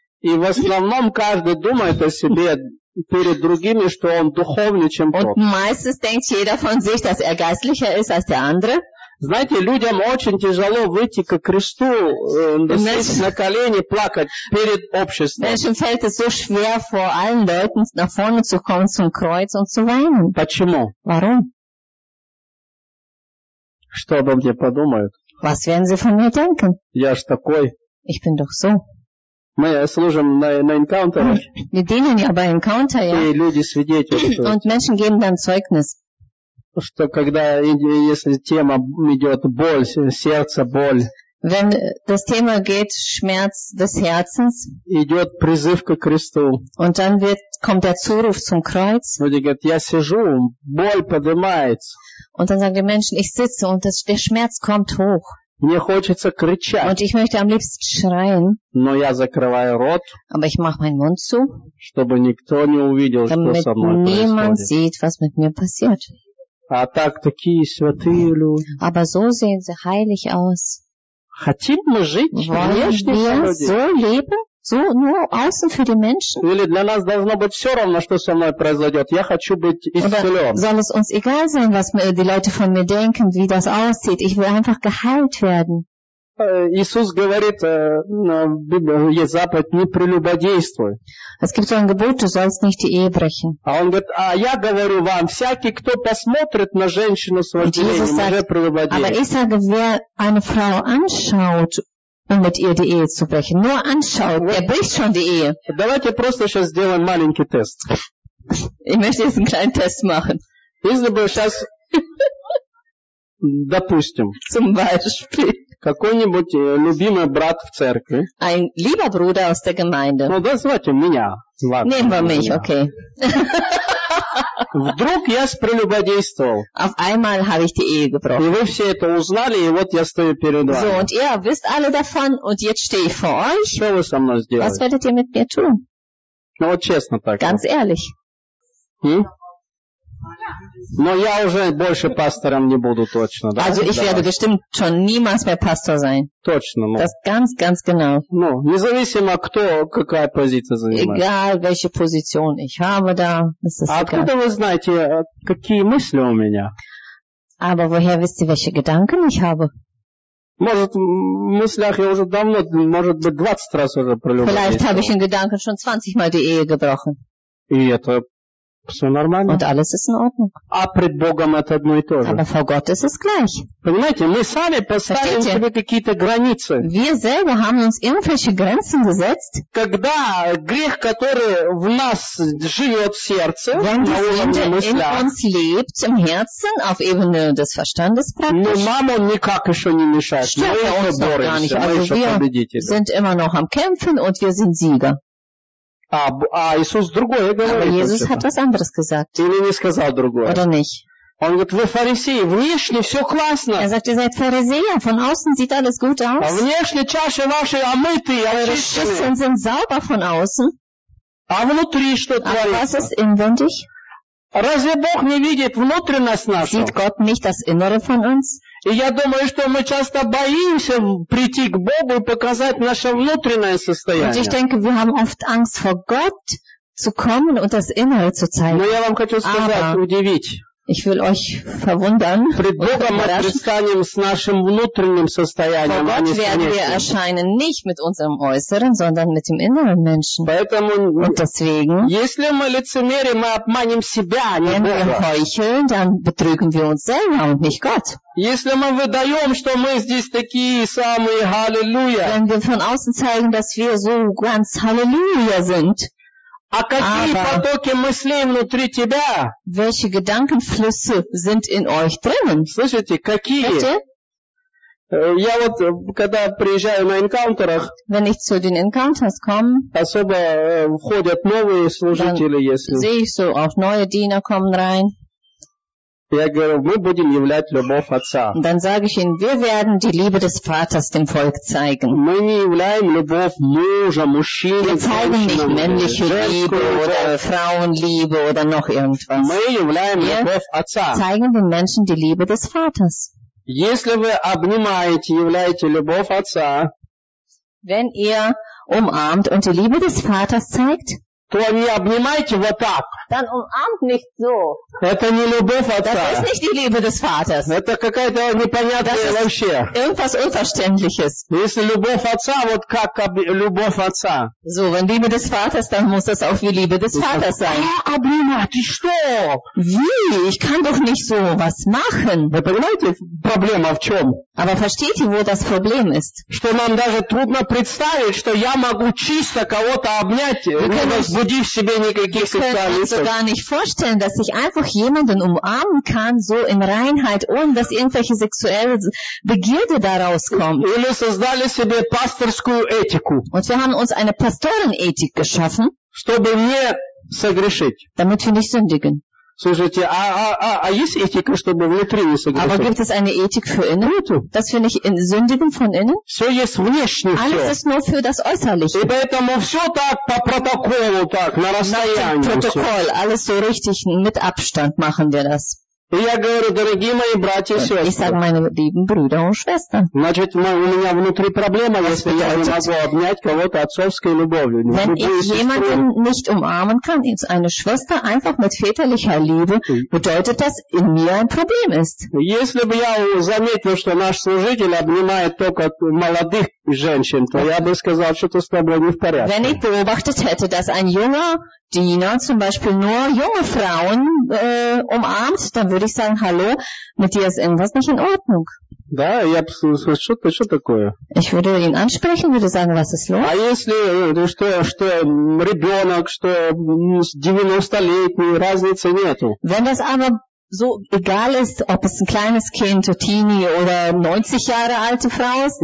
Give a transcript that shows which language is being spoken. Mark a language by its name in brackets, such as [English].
[German] Und meistens denkt jeder von sich, dass er geistlicher ist als der andere. [Russian] Знаете, людям очень тяжело выйти ко Кресту, на колени плакать перед обществом. [German] Menschen fällt es so schwer, vor allen Leuten nach vorne zu kommen zum Kreuz und zu weinen. [Russian] Почему? [German] Warum? [Russian] Что обо мне подумают? [German] Was werden sie von mir denken? [Russian] Я ж такой. [German] Ich bin doch so. [Russian] Мы служим на Encounter. [German] Wir dienen ja bei Encounter, ja. [Russian] И люди свидетельствуют. [German] Und Menschen geben dann Zeugnis. [Russian] Что когда если тема идет боль сердце боль [German] wenn das Thema geht Schmerz des Herzens [Russian] идет призыв ко Кресту [German] und dann kommt der Zuruf zum Kreuz [Russian] люди говорят я сижу боль поднимается [German] und dann sagen die Menschen ich sitze und der Schmerz kommt hoch [Russian] мне хочется кричать [German] und ich möchte am liebsten schreien [Russian] но я закрываю рот [German] aber ich mache meinen Mund zu [Russian] чтобы никто не увидел что со мной происходит [German] niemand sieht was mit mir passiert. [Russian] А так такие святые люди. [German] Aber so sehen sie heilig aus. [Russian] Хотим мы жить внешне для людей? [German] So leben? So nur außen für die Menschen? [Russian] Или для нас должно быть все равно, что со мной произойдет. Я хочу быть исцелен. [German] Oder soll es uns egal sein, was die Leute von mir denken, wie das aussieht? Ich will einfach geheilt werden. [Russian] Иисус говорит, есть заповедь, не прелюбодействуй. [German] Es gibt so ein Gebot, du sollst nicht die Ehe brechen. [Russian] А он говорит, а я говорю вам, всякий, кто посмотрит на женщину с вожделением, уже прелюбодеет. [German] Aber ich sage, wer eine Frau anschaut, um mit ihr die Ehe zu brechen, nur anschaut, der bricht schon die Ehe. [Russian] Давайте просто сейчас сделаем маленький тест. [German] Ich möchte jetzt einen kleinen Test machen. [Russian] Если бы сейчас, допустим, [German] zum Beispiel, [Russian] какой-нибудь любимый брат в церкви. [German] Ein lieber Bruder aus der Gemeinde. [Russian] Ну, давайте меня. [German] Nehmen wir mich, okay. [Russian] Вдруг я спрелюбодействовал. [German] Auf einmal habe ich die Ehe gebrochen. [Russian] И вы все это узнали, и вот я стою перед вами. [German] So, und ihr wisst alle davon, und jetzt stehe ich vor euch. [Russian] Что вы со мной сделаете? [German] Was werdet ihr mit mir tun? [Russian] Ну, вот честно так. [German] Ganz ehrlich. [Russian] Но я уже больше пастором не буду точно, да? [German] Also ich werde bestimmt schon niemals mehr Pastor sein. [Russian] Точно, ну. [German] Das ganz, ganz genau. [Russian] Ну, независимо кто, какая позиция занимает. [German] Egal, welche Position ich habe da, ist es egal. [Russian] Откуда вы знаете, какие мысли у меня? [German] Aber woher wisst ihr, welche Gedanken ich habe? [Russian] Может, в мыслях я уже давно, может быть, 20 раз уже пролюбил. [German] Vielleicht habe ich in Gedanken schon 20 Mal die Ehe gebrochen. [Russian] И это Все нормально. [German] Und alles ist in Ordnung. [Russian] А пред Богом это одно и то же. [German] Aber vor Gott ist es gleich. [Russian] Понимаете, мы сами поставили себе какие-то границы. [German] Wir selber haben uns irgendwelche Grenzen gesetzt. [Russian] Когда грех, который в нас живет в сердце, [German] wenn die Sünde in uns lebt, im Herzen, auf Ebene des Verstandes praktisch. [Russian] Но нам он никак еще не мешает. [German] Stört er uns noch gar nicht. Also wir sind immer noch am Kämpfen und wir sind Sieger. [Russian] А Иисус другое говорит. [German] Aber Jesus hat was anderes gesagt. [Russian] Или не сказал другое. [German] Oder nicht. [Russian] Он говорит, вы фарисеи, внешне все классно. [German] Er sagt, ihr seid Pharisäer, von außen sieht alles gut aus. [Russian] А внешне чаши ваши омытые, очищенные. [German] Eure Schüsseln sind sauber von außen. [Russian] А внутри что творится? [German] Aber was ist inwendig? [Russian] Разве Бог не видит внутренность нашу? [German] Sieht Gott nicht das Innere von uns? [Russian] И я думаю, что мы часто боимся прийти к Богу и показать наше внутреннее состояние. [German] Und ich denke, wir haben oft Angst vor Gott zu kommen und das Innere zu zeigen. [Russian] Но я вам хочу сказать, удивить. [German] Ich will euch verwundern. [Russian] Пред Богом мы предстанем с нашим внутренним состоянием, а не с внешним. [German] Wir erscheinen nicht mit unserem Äußeren, sondern mit dem inneren Menschen. [Russian] Поэтому, [German] und deswegen, [Russian] если мы лицемерим, мы обманем себя, а не Бога. [German] Wenn wir heucheln, dann betrügen wir uns selber und nicht Gott. [Russian] Если мы выдаем, что мы здесь такие самые Halleluja. [German] Wenn wir von außen zeigen, dass wir so ganz Halleluja sind. [Russian] А какие [German] Aber [Russian] потоки мыслей внутри тебя? [German] Welche Gedankenflüsse sind in euch drinnen? [Russian] Слышите, какие? [German] Bitte? [Russian] Я вот, когда приезжаю на энкаунтерах, [German] wenn ich zu den Encounters komme, [Russian] особо входят новые служители, [German] dann [Russian] если [German] sehe ich so, auch neue Diener kommen rein. [Russian] Я говорю, мы будем являть любовь Отца. [German] Dann sage ich ihnen, wir werden die Liebe des Vaters dem Volk zeigen. [Russian] Мы не являем любовь мужа, мужчины, [German] wir zeigen nicht männliche Liebe oder Frauenliebe oder noch irgendwas. [Russian] Мы являем любовь Отца. [German] Wir zeigen den Menschen die Liebe des Vaters. [Russian] Если вы обнимаете, являете любовь Отца, [German] wenn ihr umarmt und die Liebe des Vaters zeigt, [Russian] то не обнимайте вот так. [German] Dann umarmt nicht so. [Russian] Это не любовь Отца. [German] Das ist nicht die Liebe des Vaters. [Russian] Это какая-то непонятная вообще. [German] Irgendwas Unverständliches. [Russian] Если любовь Отца, вот как любовь Отца. [German] So, wenn Liebe des Vaters, dann muss das auch wie Liebe des Vaters sein. [Russian] Как обнимать? Что? [German] Wie? Ich kann doch nicht so was machen. [Russian] Вы понимаете, проблема в чем? [German] Aber versteht ihr, wo das Problem ist? [Russian] Что нам даже трудно представить, что я могу чисто кого-то обнять, будив себе никаких социалистов. [German] Ich kann mir gar nicht vorstellen, dass ich einfach jemanden umarmen kann, so in Reinheit, ohne dass irgendwelche sexuelle Begierde daraus kommt. [Russian] Или создали себе пасторскую этику. [German] Und wir haben uns eine Pastorenethik geschaffen, [Russian] чтобы не согрешить. [German] Damit wir nicht sündigen. [Russian] Слушайте, а есть этика, чтобы внутри не согрешить? [German] Aber gibt es eine Ethik für innen? [Russian] Нету. [German] Dass wir nicht in sündigen von innen? [Russian] Все есть внешне. [German] Alles ist nur für das Äußerliche. [Russian] И поэтому все так по протоколу, так, на расстоянии. [German] Nach dem Protokoll, alles so richtig mit Abstand machen wir das. [Russian] И я говорю, дорогие мои братья и сестры. [German] Ich sage, meine lieben Brüder und Schwestern. [Russian] Значит, у меня внутри проблема, если я не могу обнять кого-то отцовской любовью. [German] Wenn ich jemanden nicht umarmen kann, eine Schwester einfach mit väterlicher Liebe, bedeutet das, in mir ein Problem ist. [Russian] Если бы я заметил, что наш служитель обнимает только молодых женщин, то я бы сказал, что с тобой не в порядке. [German] Wenn ich beobachtet hätte, dass ein junger Diener zum Beispiel nur junge Frauen umarmt, dann würde ich sagen, hallo, mit dir ist irgendwas nicht in Ordnung. [Russian] Да, я что-то, что такое? [German] Ich würde ihn ansprechen, würde sagen, was ist los? [Russian] А если, что ребенок, что 90-летний, разницы нету. [German] Wenn das aber so egal ist, ob es ein kleines Kind, Teenie oder 90 Jahre alte Frau ist.